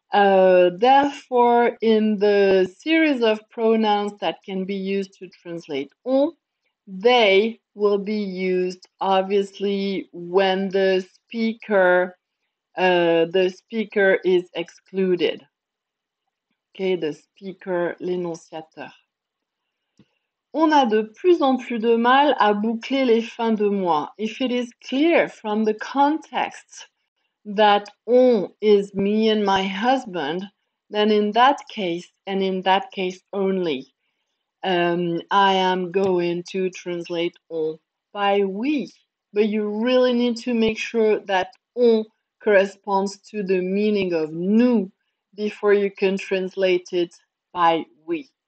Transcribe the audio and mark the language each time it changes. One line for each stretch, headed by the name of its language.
English: Therefore, in the series of pronouns that can be used to translate on, they will be used obviously when the speaker is excluded. Okay, the speaker, l'énonciateur.
French: On a de plus en plus de mal à boucler les fins de mois.
English: If it is clear from the context that on is me and my husband, then in that case, and in that case only, I am going to translate on by we. But you really need to make sure that on corresponds to the meaning of nous before you can translate it by we.